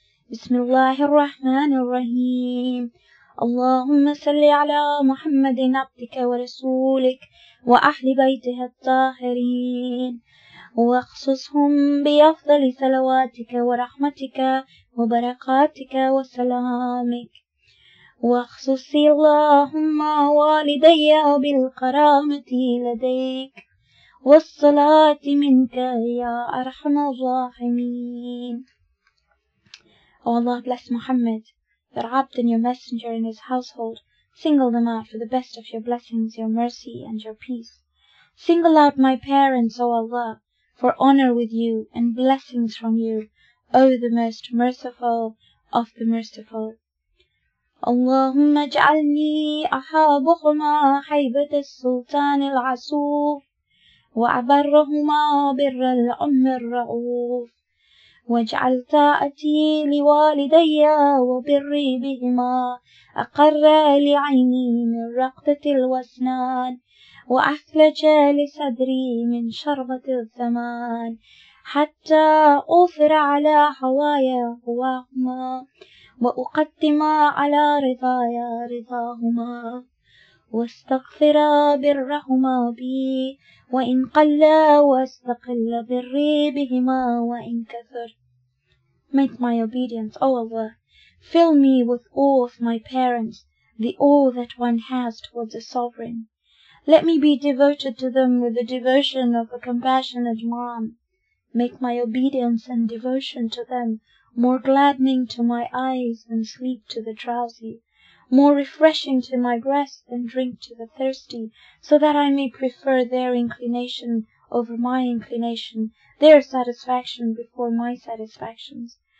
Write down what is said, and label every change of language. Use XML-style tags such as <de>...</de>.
<ar>بسم الله الرحمن الرحيم اللهم صل على محمد عبدك ورسولك وأهل بيته الطاهرين واخصصهم بأفضل صلواتك ورحمتك وبركاتك وسلامك واخصصي اللهم والدي بالكرامة لديك والصلاة منك يا أرحم الراحمين.</ar> <en>O Allah, bless Muhammad, your abd and your messenger in his household. Single them out for the best of your blessings, your mercy and your peace. Single out my parents, O Allah, for honor with you and blessings from you, O the most merciful of the merciful.</en> <ar>Allahumma ja'alni ahabuhuma haybat al-sultan al-asuf wa abarrahuma birr al-umm al-ra'uf. واجعل طاعتي لوالدي وبري بهما أقر لعيني من رقدة الوسنان وأثلج لصدري من شربة الثمان حتى أثر على حوايا هواهما وأقدم على رضايا رضاهما واستغفر برهما بي وإن قل واستقل بري بهما وإن كثر.</ar> <en>Make my obedience, O Allah, fill me with awe of my parents, the awe that one has towards a sovereign. Let me be devoted to them with the devotion of a compassionate mom. Make my obedience and devotion to them more gladdening to my eyes than sleep to the drowsy, more refreshing to my breast than drink to the thirsty, so that I may prefer their inclination over my inclination, their satisfaction before my satisfactions.</en>